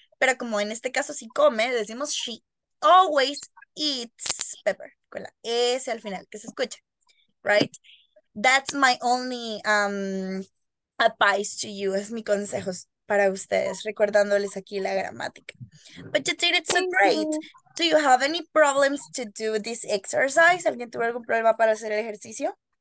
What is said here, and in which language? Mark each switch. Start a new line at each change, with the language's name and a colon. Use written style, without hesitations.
Spanish: Pero como en este caso sí come, decimos,
English: she always eats pepper.
Spanish: Con la S al final, que se escuche. Right?
English: That's my only advice to you.
Spanish: Es mi consejo para ustedes, recordándoles aquí la gramática.
English: But you did it so great. Do you have any problems to do this exercise?
Spanish: ¿Alguien tuvo algún problema para hacer el ejercicio?